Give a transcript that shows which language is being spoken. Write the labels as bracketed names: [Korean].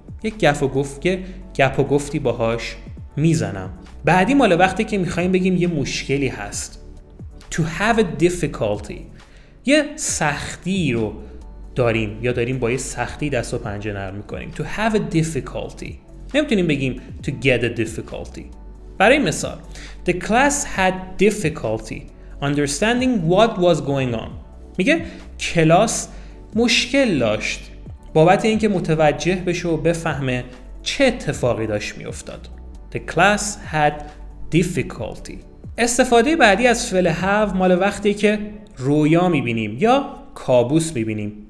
[Persian] یک گپ و گفت که گپ و گفتی باهاش میزنم. بعدی مال وقتی که میخوایم بگیم یه مشکلی هست. [English] To have a difficulty. [Persian] یه سختی رو داریم یا داریم با یه سختی دست و پنجه نرم میکنیم. [English] To have a difficulty. [Persian] نمیتونیم بگیم [English] To get a difficulty. [Persian] برای مثال [English] The class had difficulty understanding what was going on. [Persian] میگه کلاس مشکل داشت بابت اینکه متوجه بشه و بفهمه چه اتفاقی داشت میافتاد. [English] The class had difficulty. [Persian] استفاده بعدی از فعل have مال وقتی که رویا میبینیم یا کابوس میبینیم.